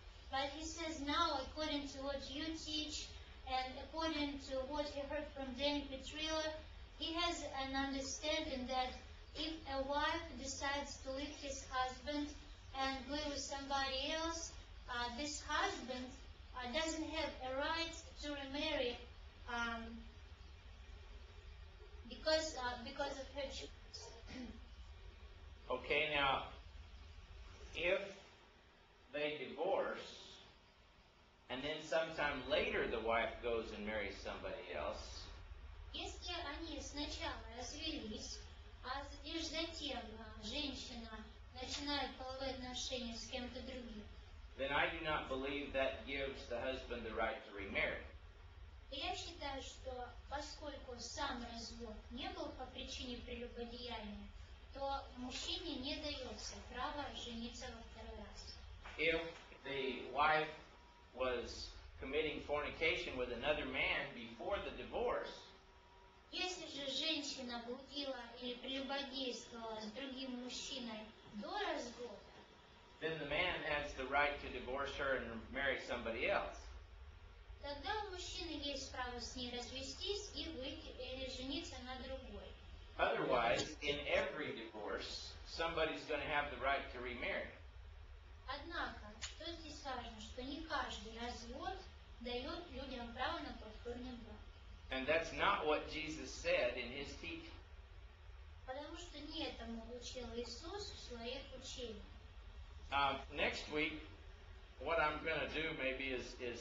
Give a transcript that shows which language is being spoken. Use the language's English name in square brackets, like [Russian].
[English] But he says now, according to what you teach and according to what he heard from Danny Petrillo, he has an understanding that if a wife decides to leave his husband and live with somebody else, this husband doesn't have a right to remarry because of her choice. Okay, now, if they divorce, and then sometime later the wife goes and marries somebody else. [Russian] Если они сначала развелись, а лишь затем женщина начинает половые отношения с кем-то другим. [English] Then I do not believe that gives the husband the right to remarry. [Russian] Я считаю, что поскольку сам развод не был по причине прелюбодеяния, то мужчине не дается право жениться во второй раз. [English] If the wife was committing fornication with another man before the divorce. [Russian] Если же женщина блудила или прелюбодействовала с другим мужчиной до развода, [English] then the man has the right to divorce her and marry somebody else. [Russian] Тогда у мужчины есть право с ней развестись и выйти или жениться на другой. [English] Otherwise, in every divorce, somebody's going to have the right to remarry. [Russian] Однако, то здесь важно, что не каждый развод дает людям право на повторный брак. [English] And that's not what Jesus said in his teaching. [Russian] Потому что не этому учил Иисус в своих учениях. [English] Next week, what I'm going to do maybe is